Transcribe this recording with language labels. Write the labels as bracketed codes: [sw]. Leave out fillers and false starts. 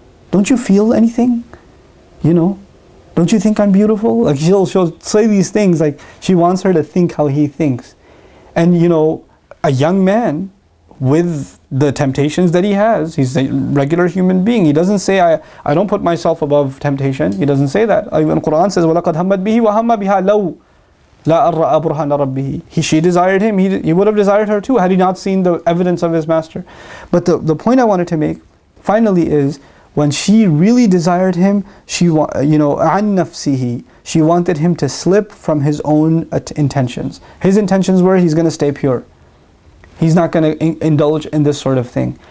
[en] Don't you feel anything? You know? Don't you think I'm beautiful? Like, she'll say these things, like, she wants her to think how he thinks. And, you know, a young man, with the temptations that he has, he's a regular human being. He doesn't say, I don't put myself above temptation. He doesn't say that. Even Quran says, [ar] وَلَقَدْ هَمَّتْ بِهِ وَهَمَّ بِهَا لَوْ لَا أَرَّأَ بُرْهَانَ رَبِّهِ. [en] She desired him, he would have desired her too, had he not seen the evidence of his master. But the point I wanted to make, finally, is when she really desired him, she, you know, [ar] عَنْ نَفْسِهِ, [en] she wanted him to slip from his own intentions. His intentions were, he's going to stay pure. He's not going to indulge in this sort of thing.